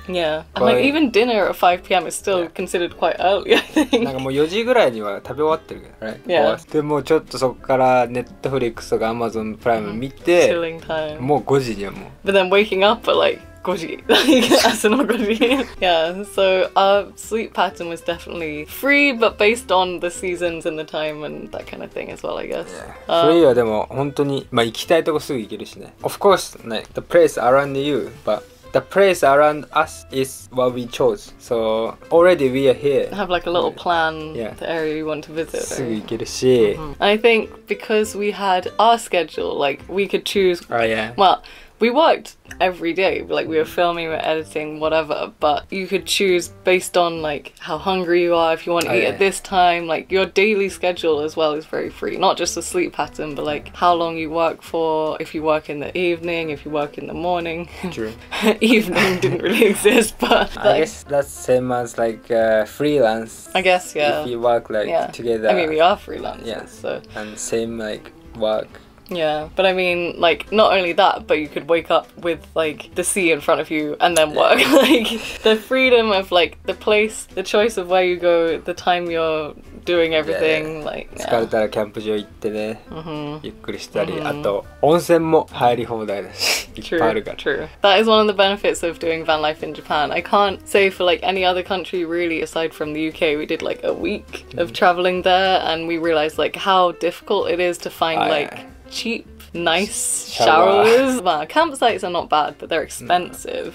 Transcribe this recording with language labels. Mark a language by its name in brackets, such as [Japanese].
[English] Yeah, and like even dinner at 5 p.m. is still considered quite early, I think. [Japanese] なんかもう4時ぐらいには食べ終わってるけど、 [English] right? [Japanese] Yeah. でもちょっとそこから Netflix とか Amazon Prime 見て、 [English] chilling time. [Japanese] もう5時にはもう。 [English] But then waking up at like... Yeah, so our sleep pattern was definitely free, but based on the seasons and the time and that kind of thing as well, I guess. [Japanese] Free はでも本当に、まあ行きたいとこすぐ行けるしね。 [English] Of course, like, the place around you, but the place around us is what we chose. So already we are here. Have like a little plan, the area you want to visit. [Japanese] すぐ行けるし。 [English] I think because we had our schedule, like we could choose. Oh yeah. Well,We worked every day, like we were filming, we were editing, whatever, but you could choose based on like how hungry you are, if you want to eat at this time, like your daily schedule as well is very free, not just the sleep pattern, but like how long you work for, if you work in the evening, if you work in the morning. True. evening didn't really exist, but... Like, I guess that's same as like freelance. I guess, yeah. If you work like together. I mean, we are freelancers, so... And same like work. Yeah, but I mean, like, not only that, but you could wake up with, like, the sea in front of you and then work. like, the freedom of, like, the place, the choice of where you go, the time you're doing everything, like, [Japanese] 疲れたらキャンプ場行ってね、ゆっくりしたり、あと、温泉も入り放題だし、いっぱいあるから。 [English] True, true. That is one of the benefits of doing van life in Japan. I can't say for, like, any other country, really, aside from the UK, we did, like, a week of traveling there, and we realized, like, how difficult it is to find, like... Cheap, nice showers. Well, campsites are not bad, but they're expensive.